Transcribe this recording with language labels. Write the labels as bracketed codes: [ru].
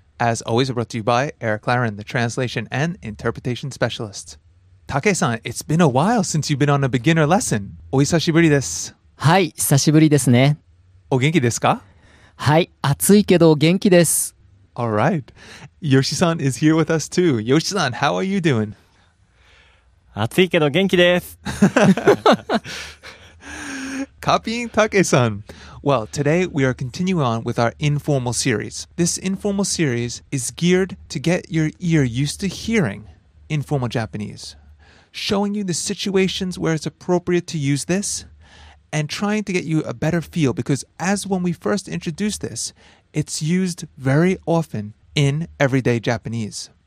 [en] As always brought to you by Eric Laren, the translation and interpretation specialist. Take-san, it's been a while since you've been on a beginner lesson. [ja] お久しぶりです。はい、久しぶりですね。お元気ですか？はい、暑いけど元気です。 [en] All right, Yoshi-san is here with us too. Yoshi-san, how are you doing? [ja] 暑いけど元気です。 [en] Copying Take-san. Well, today we are continuing on with our informal series. This informal series is geared to get your ear used to hearing informal Japanese, showing you the situations where it's appropriate to use this, and trying to get you a better feel, because as when we first introduced this, it's used very often in everyday Japanese.